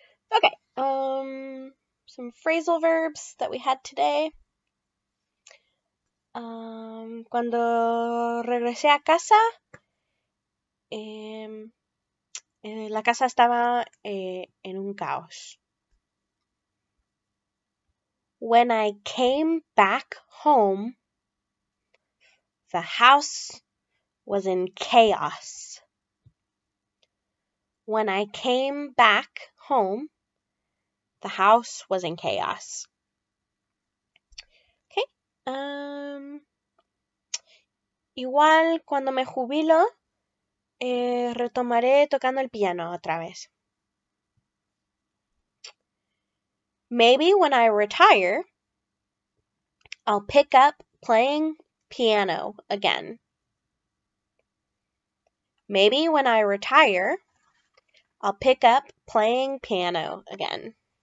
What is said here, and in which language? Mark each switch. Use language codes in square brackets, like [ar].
[en] Okay, some phrasal verbs that we had today. [es] Cuando regresé a casa, la casa estaba en un caos. [en] When I came back home, the house was in chaos. When I came back home, the house was in chaos. Okay. [es] Igual cuando me jubilo, retomaré tocando el piano otra vez. [en] Maybe when I retire, I'll pick up playing piano again. Maybe when I retire, I'll pick up playing piano again.